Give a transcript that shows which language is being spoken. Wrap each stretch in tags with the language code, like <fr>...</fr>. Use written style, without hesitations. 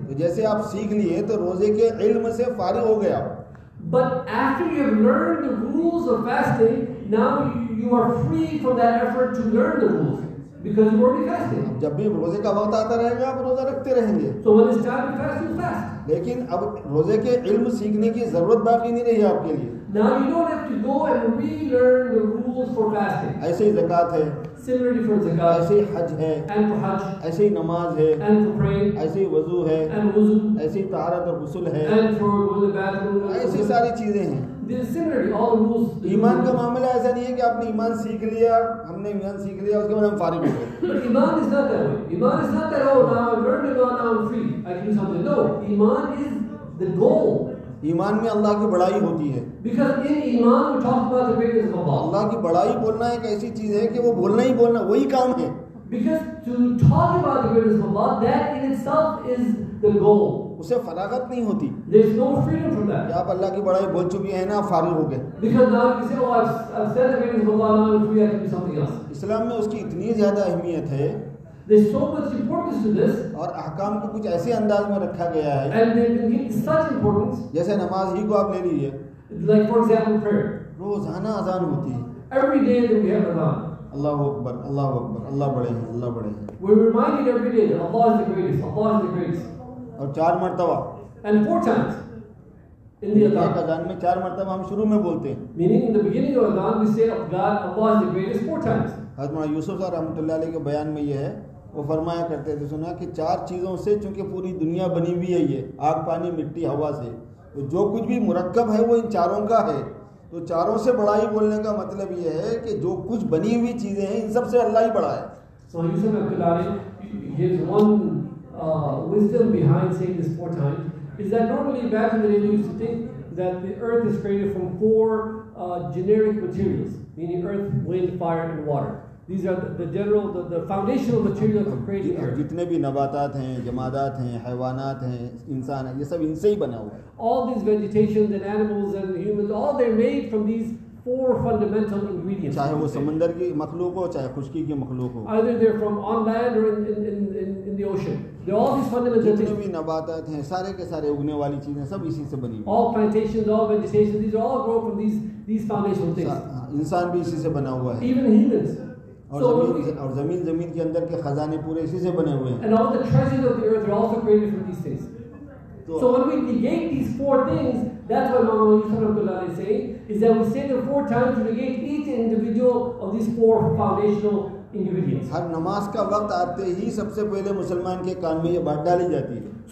<hi>तो जैसे आप सीख लिए तो रोजे के इल्म से फारिग हो गए आप.</hi> <en>But after you have learned the rules of fasting, now you are free from that effort to learn the rules because you already fasted.</en> <hi>जब भी रोजे का वक्त आता रहेगा आप रोजा रखते रहेंगे.</hi> <en>So when it's time to fast, you fast.</en> <hi>लेकिन अब रोजे के इल्म सीखने की जरूरत बाकी नहीं रही आपके लिए.</hi> <en>Now you don't have to go and relearn the rules for fasting.</en> <hi>ऐसे ही zakat है.</hi> <en>Similarly for zakat.</en> <hi>ऐसे ही हज है.</hi> <en>And for hajj.</en> <hi>ऐसे ही नमाज है.</hi> <en>And for praying.</en> <hi>ऐसे ही वजू है.</hi> <en>And wuzu.</en> <hi>ऐसे ही तहारत और गुस्ल है.</hi> <en>And for going to bathroom.</en> <hi>ऐसे सारी चीजें हैं. ईमान का मामला ऐसा नहीं है कि आपने ईमान सीख लिया, हमने ईमान सीख लिया उसके बाद हम फारिग हो गए.</hi> <en>Iman is not that way. Iman is not that oh now I learned iman now I am free I can do something. No, iman is the goal.</en> <hi>ईमान में अल्लाह की बड़ाई होती है.</hi> <en>Because in iman we talk about the greatness of Allah.</en> <hi>अल्लाह की बड़ाई बोलना एक ऐसी चीज है कि वो बोलना ही बोलना वही काम है.</hi> <en>Because to talk about the greatness of Allah, that in itself is the goal.</en> <hi>उसे फरागत नहीं होती।</hi> <en>There's no freedom from that.</en> <hi>आप अल्लाह की बड़ाई बोल चुकी हैं ना, आप फारिग हो गए।</hi> <en>Because now you say, oh, I've said the greatness of Allah, now we have to do something else.</en> <hi>इस्लाम में उसकी इतनी ज़्यादा अहमियत है।</hi> <en>There's so much importance to this.</en> <hi>और अहकाम को कुछ ऐसे अंदाज में रखा गया है।</hi> <en>And they've been given such importance.</en> <hi>जैसे नमाज ही को आप ले लीजिए।</hi> <en>Like for example, prayer.</en> <hi>रोजाना अजान होती है।</hi> <en>Every day that we have azaan.</en> <hi>अल्लाहु अकबर, अल्लाहु अकबर, अल्लाह बड़े हैं, अल्लाह बड़े हैं।</hi> <en>We're reminded every day that Allah is the greatest, Allah is the greatest.</en> <hi>और चार मर्तबा।</hi> <en>And four times. In the azaan.</en> <hi>एक अजान में चार मर्तबा हम शुरू में बोलते हैं।</hi> <en>Meaning in the beginning of azaan we say God, Allah is the greatest four times.</en> <hi>हज़रत मौलाना यूसुफ साहब रहमतुल्लाह अलैह के बयान में ये है, वो फरमाया करते थे, सुना कि चार चीज़ों से चूँकि पूरी दुनिया बनी हुई है, ये आग, पानी, मिट्टी, हवा से, तो जो कुछ भी मुरक्कब है वो इन चारों का है, तो चारों से बड़ाई बोलने का मतलब ये है कि जो कुछ बनी हुई चीज़ें हैं इन सब से अल्लाह ही बड़ा है।</hi> <en>So you said that there's one wisdom behind saying this four times is that normally back in the day you used to think that the earth is created from four generic materials, meaning earth, wind, fire and water. These are the general, the foundational materials of creating earth.</en> <hi>जितने भी नबातात हैं, जमादात हैं, हैवानात हैं, इंसान हैं, ये सब इनसे ही बना हुआ है।</hi> <en>All these vegetations and animals and humans, all they're made from these four fundamental ingredients.</en> <hi>चाहे वो समंदर की मखलूक हो, चाहे खुशकी की मखलूक हो।</hi> <en>Either they're from on land or in the ocean. They're all these fundamental things.</en> <hi>जितने भी नबातात हैं, सारे के सारे उगने वाली चीजें सब इसी से बनी हुई</hi> <en>हैं। All plantations, all vegetation, these are all grow from these foundational things.</en> <hi>इंसान भी इसी से बना हुआ है।</hi> <en>Even humans.</en> <hi>और so जमीन, we, और जमीन जमीन के अंदर के खजाने पूरे इसी से बने हुए हैं।</hi> <en>And all the treasures of the earth are also created from these things. So when we negate these four things, that's what Maulana Yusuf Rahmatullah is saying, is that we say them four times to negate each individual of these four foundational ingredients.</en> <hi>हर नमाज का वक्त आते ही सबसे पहले मुसलमान के कान में ये बात डाली जाती है।</hi>